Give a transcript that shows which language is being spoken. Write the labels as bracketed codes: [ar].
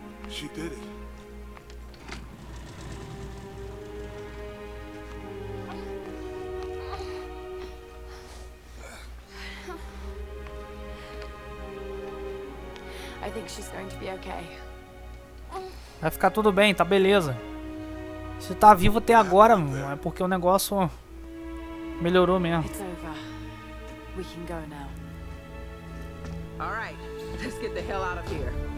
[en] She did it. I think she's going to be okay. [pt] Vai ficar tudo bem, tá beleza. Você tá vivo até agora, mano. É porque o negócio melhorou mesmo. [en] It's over. We can go now. All right, let's get the hell out of here.